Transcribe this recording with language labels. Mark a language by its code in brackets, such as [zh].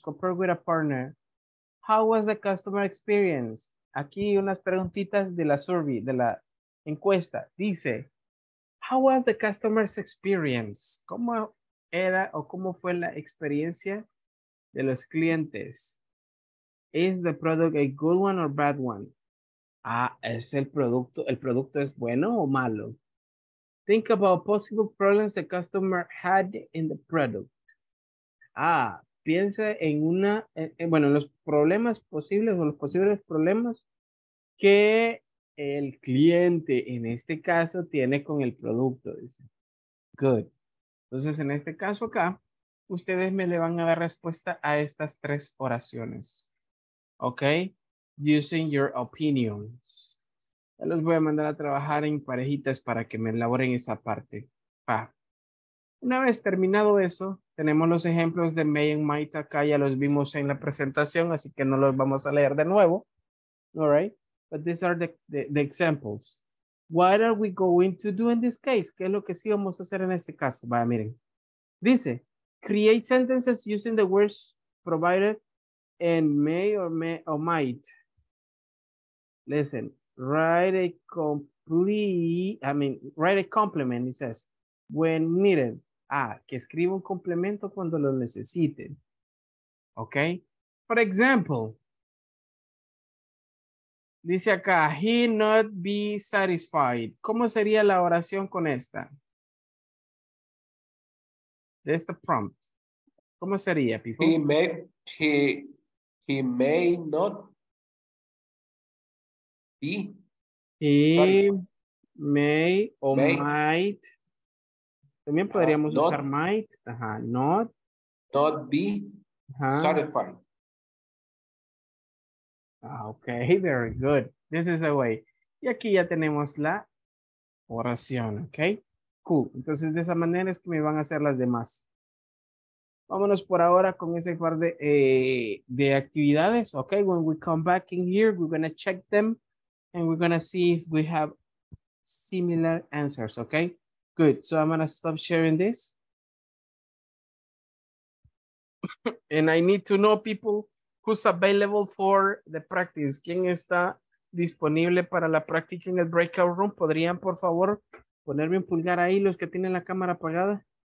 [en] Compare with a partner. How was the customer experience? [es] Aquí unas preguntitas de la survey, de la encuesta. Dice, [en] how was the customer's experience? [es] ¿Cómo era o cómo fue la experiencia de los clientes? [en] Is the product a good one or bad one? [es] Ah, ¿es el producto es bueno o malo? [en] Think about possible problems the customer had in the product. [es] Ah, piensa en una, bueno, los problemas posibles o los posibles problemas que el cliente en este caso tiene con el producto. Dice. [en] Good. [es] Entonces, en este caso acá, ustedes me le van a dar respuesta a estas tres oraciones. [en] Okay, using your opinions. [es] Ya los voy a mandar a trabajar en parejitas para que me elaboren esa parte. Pa. Una vez terminado eso, tenemos los ejemplos de may and might acá, ya los vimos en la presentación, así que no los vamos a leer de nuevo. [en] All right, but these are the examples. What are we going to do in this case? [es] ¿Qué es lo que sí vamos a hacer en este caso? Vaya, miren. Dice, [en] create sentences using the words provided in may or might. Listen, write a write a complement, it says, when needed. [es] Ah, que escriba un complemento cuando lo necesite. [en] Okay. For example, [es] dice acá, [en] he not be satisfied. [es] ¿Cómo sería la oración con esta? De esta prompt. ¿Cómo sería, [en] people? He may not be. [es] También podríamos usar might. Ajá. [en] Not be satisfied. Okay, very good. This is the way. [es] Y aquí ya tenemos la oración, [en] okay? Cool. [es] Entonces, de esa manera es que me van a hacer las demás. Vámonos por ahora con ese par de actividades, okay? [en] When we come back in here, we're going to check them and we're going to see if we have similar answers, okay? Good. So I'm going to stop sharing this. And I need to know, people, who's available for the practice. [es] ¿Quién está disponible para la práctica en el breakout room? ¿Podrían, por favor, ponerme un pulgar ahí los que tienen la cámara apagada?